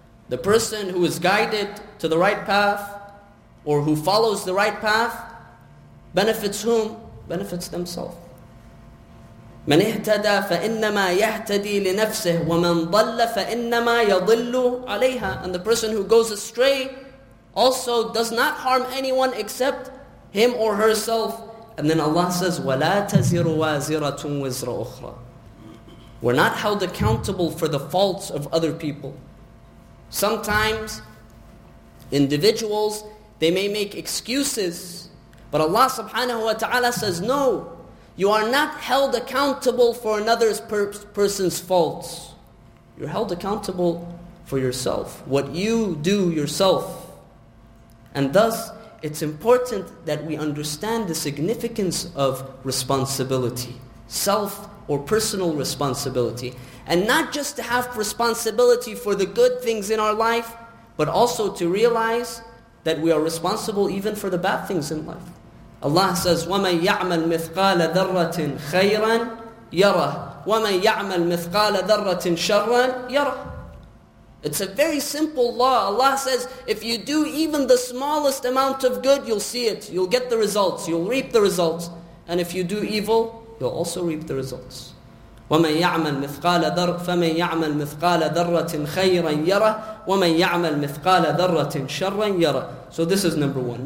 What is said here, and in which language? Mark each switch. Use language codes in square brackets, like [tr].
[en] The person who is guided to the right path or who follows the right path benefits whom? Benefits themselves. [ar] مَنْ اِحْتَدَى فَإِنَّمَا يَحْتَدِي لِنَفْسِهِ وَمَنْ ضَلَّ فَإِنَّمَا يَضِلُّ عَلَيْهَا. [en] And the person who goes astray also does not harm anyone except him or herself. And then Allah says, [ar] وَلَا تَزِرُ وَازِرَةٌ وِزْرَ أُخْرَى. [en] We're not held accountable for the faults of other people. Sometimes, individuals, they may make excuses, but Allah subhanahu wa ta'ala says, no, you are not held accountable for another person's faults. You're held accountable for yourself, what you do yourself. And thus, it's important that we understand the significance of responsibility, self or personal responsibility. And not just to have responsibility for the good things in our life, but also to realize that we are responsible even for the bad things in life. Allah says, [ar] وَمَنْ يَعْمَلْ مِثْقَالَ ذَرَّةٍ خَيْرًا يَرَهُ وَمَنْ يَعْمَلْ مِثْقَالَ ذَرَّةٍ شَرًّا يَرَهُ. [en] It's a very simple law. Allah says, if you do even the smallest amount of good, you'll see it. You'll get the results. You'll reap the results. And if you do evil, you'll also reap the results. [ar] فَمَنْ يَعْمَلْ مِثْقَالَ ذَرَّةٍ خَيْرًا يَرَهُ وَمَنْ يَعْمَلْ مِثْقَالَ ذَرَّةٍ شَرًّا يَرَهُ. [en] So this is number one.